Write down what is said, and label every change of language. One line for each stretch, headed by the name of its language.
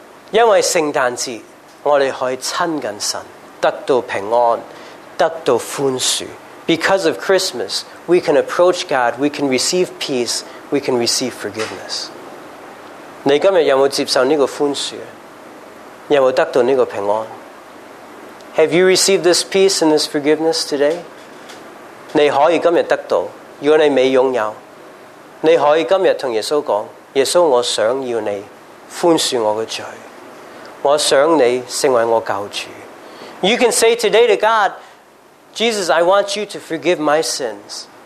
Cantonese: 因为圣诞节我们可以亲近神，得到平安，得到宽恕。
English: Because of Christmas, we can approach God, we can receive peace, we can receive forgiveness.
Cantonese: 你今天有没有接受这个宽恕？有没有得到这个平安？
English: Have you received this peace and this forgiveness today?
Cantonese: 你可以今天得到，如果你没拥有，你可以今天跟耶稣说，耶稣，我想要你宽恕我的罪，我想你成为我救主。
English: You can say today to God, Jesus, I want you to forgive my sins.